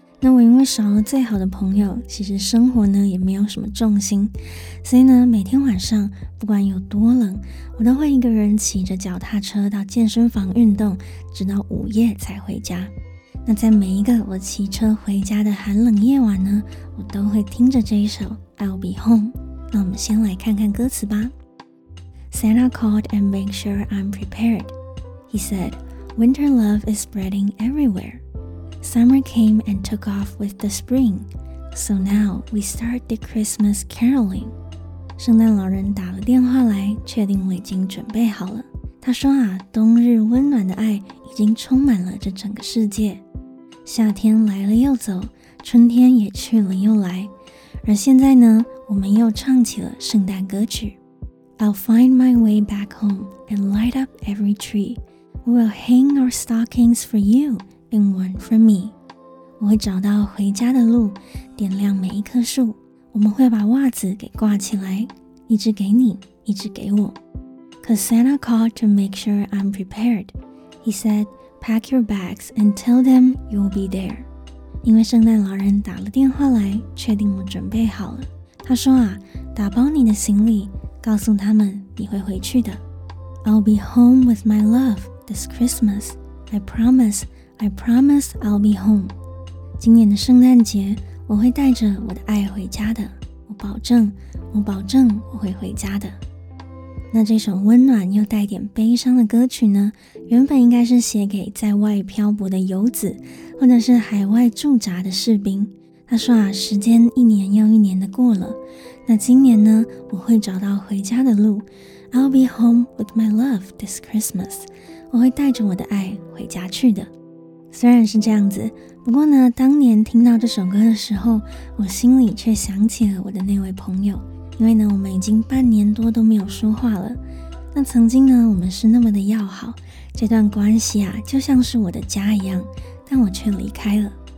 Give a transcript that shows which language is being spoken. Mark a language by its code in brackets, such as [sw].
[zh] 那我因为少了最好的朋友，其实生活呢也没有什么重心，所以呢每天晚上不管有多冷，我都会一个人骑着脚踏车到健身房运动，直到午夜才回家。那在每一个我骑车回家的寒冷夜晚呢，我都会听着这一首 I'll Be Home。那我们先来看看歌词吧。 [en] Santa called and make sure I'm prepared. He said, winter love is spreading everywhere. Summer came and took off with the spring. So now we start the Christmas caroling. [zh] 圣诞老人打了电话来，确定我已经准备好了。他说啊，冬日温暖的爱已经充满了这整个世界。夏天来了又走，春天也去了又来。而现在呢，我们又唱起了圣诞歌曲。 [en] I'll find my way back home and light up every tree. We will hang our stockings for you. And one for me. [zh] 我会找到回家的路，点亮每一棵树。我们会把袜子给挂起来，一只给你，一只给我。 [en] Cause Santa called to make sure I'm prepared. He said, pack your bags and tell them you'll be there. [zh] 因为圣诞老人打了电话来，确定我准备好了。他说啊，打包你的行李，告诉他们你会回去的。 [en] I'll be home with my love this Christmas. I promiseI promise I'll be home. [zh] 今年的圣诞节，我会带着我的爱回家的。我保证，我保证我会回家的。那这首温暖又带点悲伤的歌曲呢，原本应该是写给在外漂泊的游子，或者是海外驻扎的士兵。他说啊，时间一年又一年的过了，那今年呢，我会找到回家的路。 [en] I'll be home with my love this Christmas. [zh] 我会带着我的爱回家去的。虽然是这样子，不过呢，当年听到这首歌的时候，我心里却想起了我的那位朋友。因为呢，我们已经半年多都没有说话了。那曾经呢，我们是那么的要好，这段关系啊，就像是我的家一样，但我却离开了。